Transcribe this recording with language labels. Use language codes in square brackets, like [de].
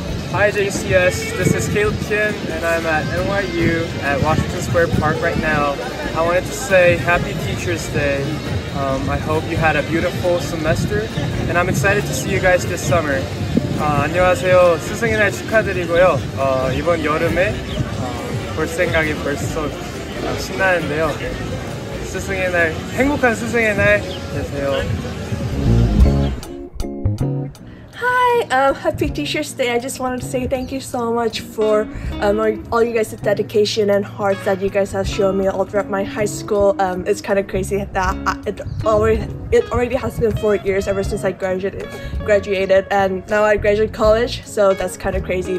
[en] Hi JCS, this is Caleb Chin and I'm at NYU at Washington Square Park right now. I wanted to say Happy Teacher's Day. I hope you had a beautiful semester and I'm excited to see you guys this summer. [ko] 안녕하세요. 스승의 날 축하드리고요. 이번 여름에 볼 생각이 벌써 신나는데요. 스승의 날, 행복한 스승의 날 되세요. [en] Happy Teacher's Day. I just wanted to say thank you so much for all you guys' dedication and hearts that you guys have shown me all throughout my high school. It's kind of crazy that it already has been 4 years ever since I graduated, and now I graduate college, so that's kind of crazy.